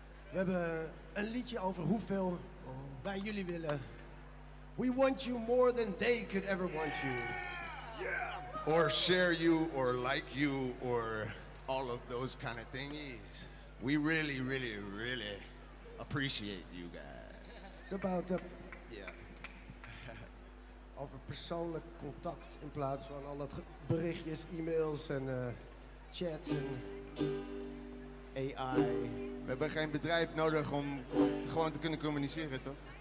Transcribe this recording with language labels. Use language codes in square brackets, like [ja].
[nl] We hebben een liedje over hoeveel wij jullie willen. [en] We want you more than they could ever want you. Yeah. Or share you or like you or all of those kind of thingies. We really, really, really appreciate you guys. It's about the [nl] over persoonlijk contact in plaats van al dat berichtjes, e-mails en chats en AI. We hebben geen bedrijf nodig om gewoon te kunnen communiceren, toch?